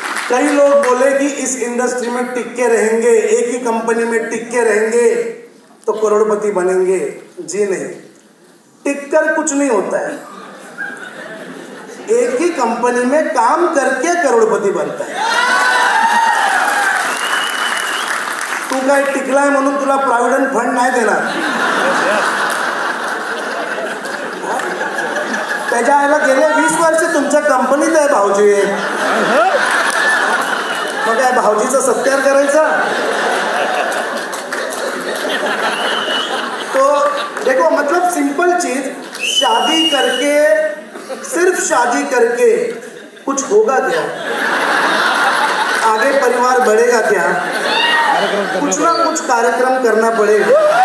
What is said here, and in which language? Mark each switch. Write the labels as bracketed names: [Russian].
[Hindi] कई लोग बोले कि इस इंडस्ट्री में टिक्के रहेंगे, एक ही कंपनी में टिक्के रहेंगे तो करोड़पति बनेंगे। जी नहीं, टिककर कुछ नहीं होता है, एक ही कंपनी में काम करके करोड़पति बनता है। [Marathi] तू का टिकला है म्हणून तुला प्रोविडेंट फंड नाही देणार, त्याच्या आयला गेले 20 वर्ष तुमच्या कंपनीत आहे भाऊजी, मग काय भाऊजीचा सत्कार करायचा? [Hindi] तो देखो, मतलब सिंपल चीज, शादी करके, सिर्फ शादी करके कुछ होगा क्या? आगे परिवार बढ़ेगा क्या? कुछ ना कुछ कार्यक्रम करना पड़ेगा।